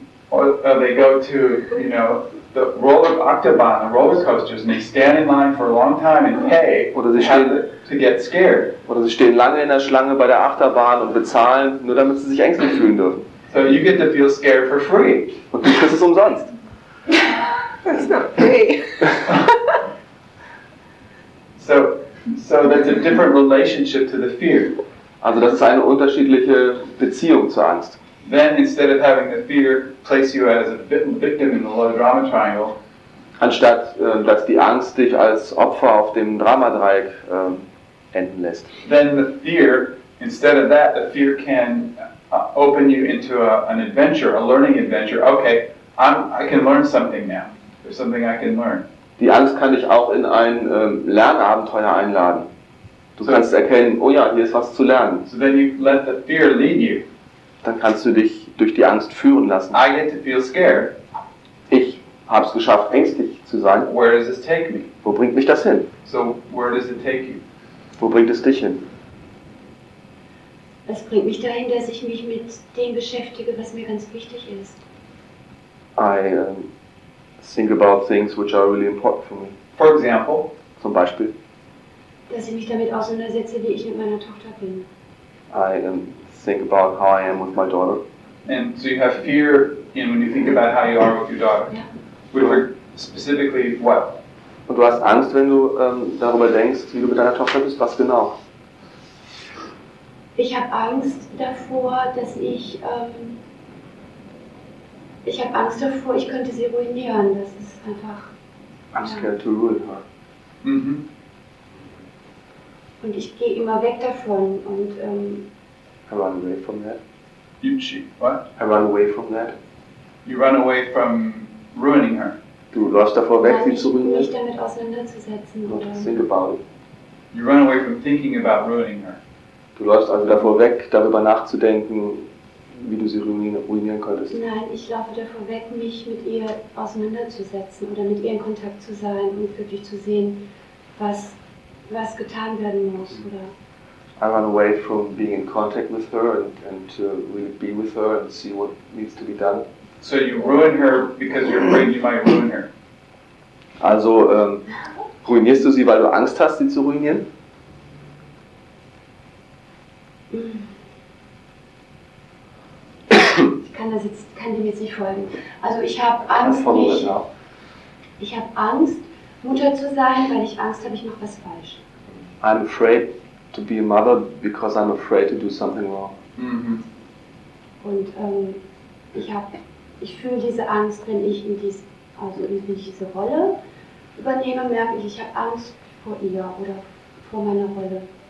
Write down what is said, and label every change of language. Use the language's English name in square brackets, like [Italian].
[English] Or they go to, you know, the roller octobahn, the roller coasters, and they stand in line for a long time and pay to get scared. [German] Oder sie stehen lange in der Schlange bei der Achterbahn und bezahlen, nur damit sie sich ängstlich fühlen dürfen. [English] So you get to feel scared for free. [German] Und du kriegst es umsonst. [English] That's not free. So that's a different relationship to the fear. [German] Also das ist eine unterschiedliche Beziehung zur Angst. [English] Then instead of having the fear place you as a victim in the low drama triangle, [German] anstatt dass die Angst dich als Opfer auf dem Dramadreieck enden lässt, [English] then the fear, instead of that, the fear can open you into an adventure, a learning adventure. Okay, I can learn something now. There's something I can learn. [German] Die Angst kann dich auch in ein Lernabenteuer einladen. Du kannst erkennen, oh ja, hier ist was zu lernen. [English] So then you let the fear lead you. [German] Dann kannst du dich durch die Angst führen lassen. [English] I get to feel scared. [German] Ich habe es geschafft, ängstlich zu sein. [English] Where does this take me? [German] Wo bringt mich das hin? [English] So where does it take you? [German] Wo bringt es dich hin? Das bringt mich dahin, dass ich mich mit dem beschäftige, was mir ganz wichtig ist. [English] I think about things which are really important for me. For example? [German] Zum Beispiel? Dass ich mich damit auseinandersetze, wie ich mit meiner Tochter bin. [English] I think about how I am with my daughter. And so you have fear in when you think about how you are with your daughter. Yeah. With her specifically what? [German] Und du hast Angst, wenn du darüber denkst, wie du mit deiner Tochter bist. Was genau? Ich habe Angst davor, dass ich habe Angst davor, ich könnte sie ruinieren. Das ist einfach. [English] I'm scared to ruin her. Mhm. [German] Und ich gehe immer weg davon und [English] I run away from that. You cheat. What? I run away from that. You run away from ruining her. [German] Du läufst davor weg, sie zu ruinieren. Nicht damit auseinanderzusetzen. Oder? [English] Think about it. You run away from thinking about ruining her. [German] Du läufst also davor weg, darüber nachzudenken, wie du sie ruinieren könntest. Nein, ich laufe davor weg, mich mit ihr auseinanderzusetzen oder mit ihr in Kontakt zu sein und wirklich zu sehen, was getan werden muss, oder? [English] I run away from being in contact with her and to really be with her and see what needs to be done. So you ruin her because you're afraid you might ruin her. [German] Also ruinierst du sie, weil du Angst hast, sie zu ruinieren? Ich kann dem jetzt nicht folgen. Also ich habe Angst, nicht, ich habe Angst, Mutter zu sein, weil ich Angst habe, ich mache was falsch. [English] I'm afraid to be a mother because I'm afraid to do something wrong. Mhm. [German] Und ich fühle diese Angst, wenn ich in dies, also wenn ich diese Rolle übernehme, merke ich, ich habe Angst vor ihr oder vor meiner Rolle.